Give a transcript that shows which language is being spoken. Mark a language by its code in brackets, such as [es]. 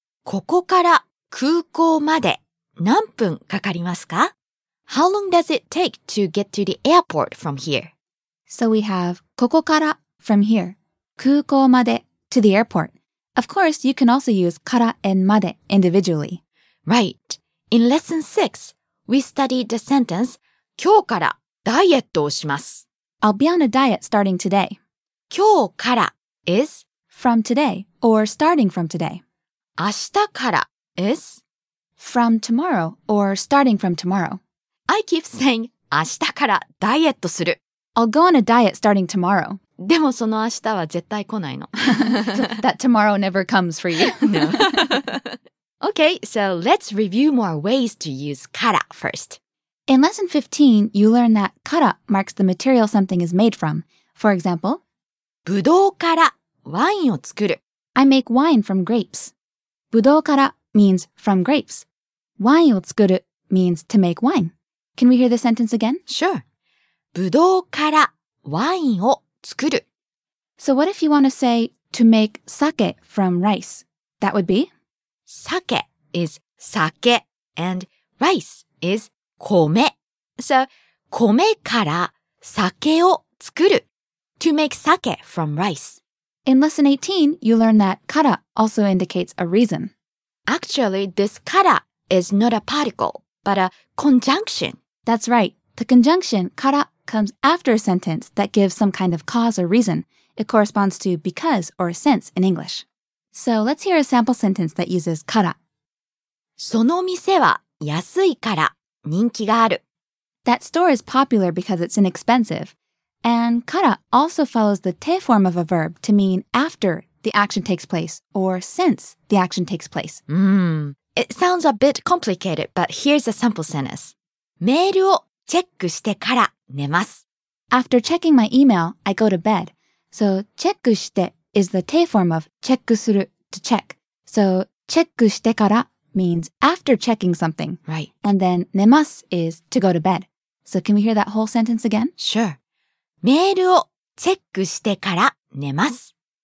[ja] ここから空港まで何分かかりますか? [en] How long does it take to get to the airport from here? So we have ここから from here, 空港まで to the airport. Of course, you can also use から and まで individually. Right. In lesson 6, we studied the sentence [ja] 今日からダイエットをします。 [en] I'll be on a diet starting today. 今日から is from today or starting from today. 明日から is from tomorrow or starting from tomorrow. I keep saying [ja] 明日からダイエットする。 [en] I'll go on a diet starting tomorrow. [ja] でもその明日は絶対来ないの。 [en] That tomorrow never comes for you. No. Okay, so let's review more ways to use から first. In lesson 15, you learn that から marks the material something is made from. For example, [ja] ブドウからワインを作る。 [en] I make wine from grapes. ブドウから means from grapes. ワインを作る means to make wine. Can we hear the sentence again? Sure. [ja] ブドウからワインを作る。 [en] So what if you want to say to make sake from rice? That would be? Sake is sake and rice is 米. [ja] So 米から酒を作る。 [en] To make sake from rice. In lesson 18, you learn that から also indicates a reason. Actually, this から is not a particle, but a conjunction. That's right. The conjunction から comes after a sentence that gives some kind of cause or reason. It corresponds to because or since in English. So let's hear a sample sentence that uses から. [ja] その店は安いから人気がある. [en] That store is popular because it's inexpensive. And から also follows the te form of a verb to mean after the action takes place or since the action takes place. It sounds a bit complicated, but here's a sample sentence. [ja] メールをチェックしてから寝ます。 [en] After checking my email, I go to bed. So チェックして is the te form of チェックする to check. So チェックしてから means after checking something. Right. And then 寝ます is to go to bed. So can we hear that whole sentence again? Sure. [ja] メールをチェックしてから寝ます。